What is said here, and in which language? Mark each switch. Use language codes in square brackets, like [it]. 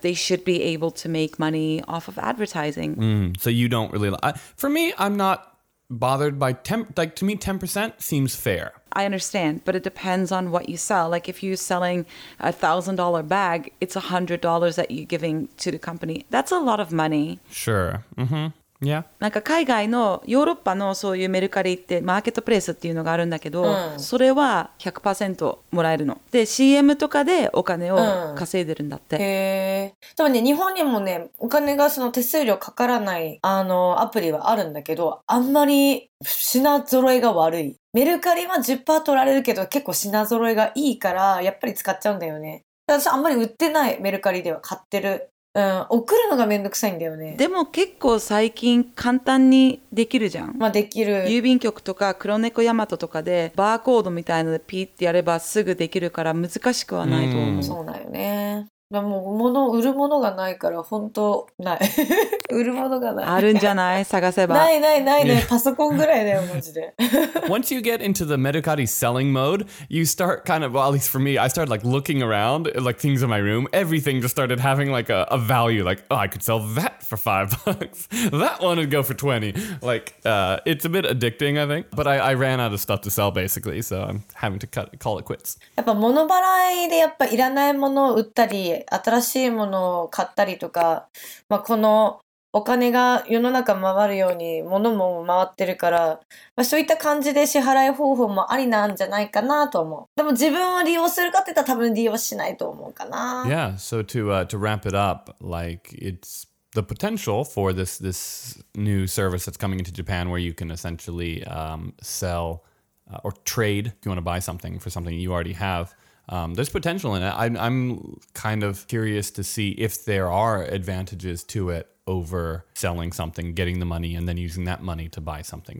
[en] They should be able to make money off of advertising. So you don't really for me, I'm not bothered by 10. Like to me, 10% seems fair. I understand, but it depends on what you sell. Like if you're selling $1,000 bag, it's $100 that you're giving to the company. That's a lot of money. Sure. Mm-hmm. Yeah. [ja] なんか海外のヨーロッパのそういうメルカリってマーケットプレイスっていうのがあるんだけど、それは 100% もらえるの。で、CM とかでお金を稼いでるんだって。へー。でもね、日本にもね、お金がその手数料かからないあのアプリはあるんだけど、あんまり品揃えが悪い。メルカリは 10% 取られるけど、結構品揃えがいいから、やっぱり使っちゃうんだよね。私あんまり売ってない、メルカリでは買ってる。うん、送るのがめんどくさいんだよね。でも結構最近簡単にできるじゃん。まあできる。郵便局とか黒猫ヤマトとかでバーコードみたいのでピッてやればすぐできるから難しくはないと思う。そうだよね。でも物売るものがないから本当ない。売るものがない。あるんじゃない？探せば。ないね。パソコンぐらいだよマジで。 [en] Once you get into the Mercari selling mode, you start kind of, well, at least for me, I started like looking around, like things in my room. Everything just started having like a value. Like, oh, I could sell that for $5. That one would go for 20. Like, it's a bit addicting, I think. But I ran out of stuff to sell basically, so I'm having to call it quits. [ja] やっぱ物払いでやっぱいらないものを売ったり、新しいものを買ったりとか、まあこのお金が世の中回るように物も回ってるから、まあ、そういった感じで支払い方法もありなんじゃないかなと思う。でも自分は利用するかって言ったら多分利用しないと思うかな。 [en] Yeah, so to wrap it up, like it's the potential for this new service that's coming into Japan where you can essentially sell or trade if you want to buy something for something you already have. There's potential in it. I'm kind of curious to see if there are advantages to it over selling something, getting the money, and then using that money to buy something.